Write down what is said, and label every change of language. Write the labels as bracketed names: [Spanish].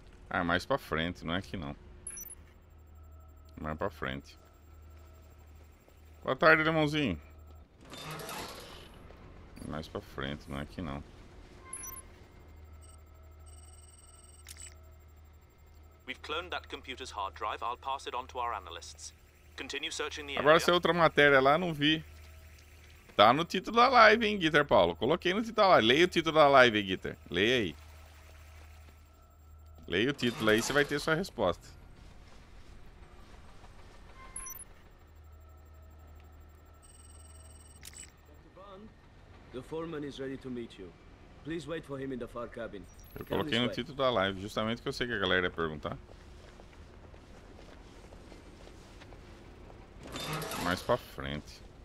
[Portuguese] Ah, é mais pra frente, não é aqui, não. Mais pra frente. Boa tarde, irmãozinho. Mais pra frente, não é aqui não. [English] We've cloned that computer's hard drive. I'll pass it on to our analysts. Continue searching the area. [Portuguese] Agora se é outra matéria lá, não vi. Tá no título da live, hein, Guitar Paulo. Coloquei no título da live. Leia o título da live, Guitar. Leia aí. Leia o título aí, você vai ter sua resposta. [English] The foreman is ready to meet you. Please wait for him in the far cabin. [Portuguese] Eu coloquei no título da live, justamente que eu sei que a galera ia perguntar. Mais pra frente.